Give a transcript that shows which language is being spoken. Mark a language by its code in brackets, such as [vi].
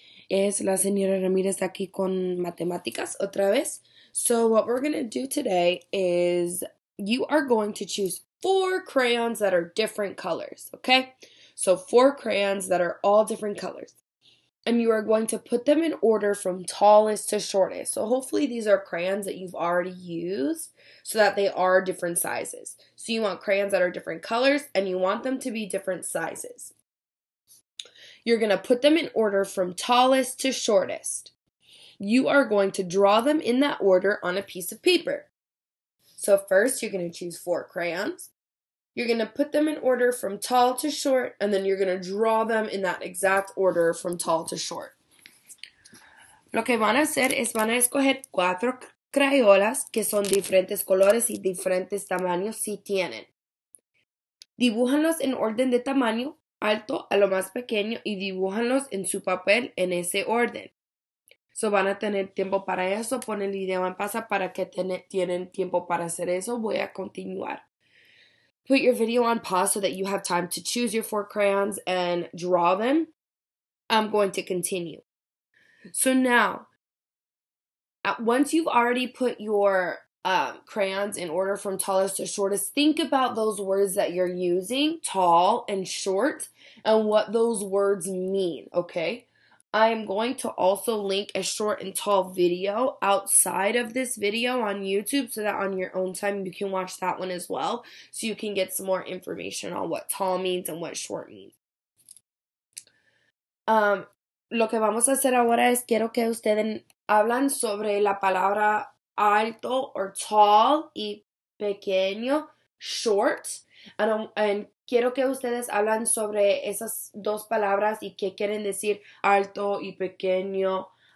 [es] Es la señora Ramirez aquí con matemáticas otra vez. [en] So what we're going to do today is you are going to choose four crayons that are different colors, okay? So four crayons that are all different colors. And you are going to put them in order from tallest to shortest. So hopefully these are crayons that you've already used so that they are different sizes. So you want crayons that are different colors and you want them to be different sizes. You're going to put them in order from tallest to shortest. You are going to draw them in that order on a piece of paper. So first you're going to choose four crayons. You're going to put them in order from tall to short, and then you're going to draw them in that exact order from tall to short. [es] Lo que van a hacer es van a escoger cuatro crayolas que son diferentes colores y diferentes tamaños si tienen. Dibújanlos en orden de tamaño, alto a lo más pequeño, y dibújanlos en su papel en ese orden. [en] So [es] van a tener tiempo para eso. Pon el video en pausa para que tienen tiempo para hacer eso. Voy a continuar. [en] Put your video on pause so that you have time to choose your four crayons and draw them. I'm going to continue. So now, once you've already put your crayons in order from tallest to shortest, think about those words that you're using, tall and short, and what those words mean, okay? I'm going to also link a short and tall video outside of this video on YouTube so that on your own time you can watch that one as well so you can get some more information on what tall means and what short means. [es] Lo que vamos a hacer ahora es quiero que ustedes hablan sobre la palabra alto [en] or tall [es] y pequeño, [en] short, and [es] quiero que ustedes hablan sobre esas dos palabras y qué quieren decir alto y pequeño.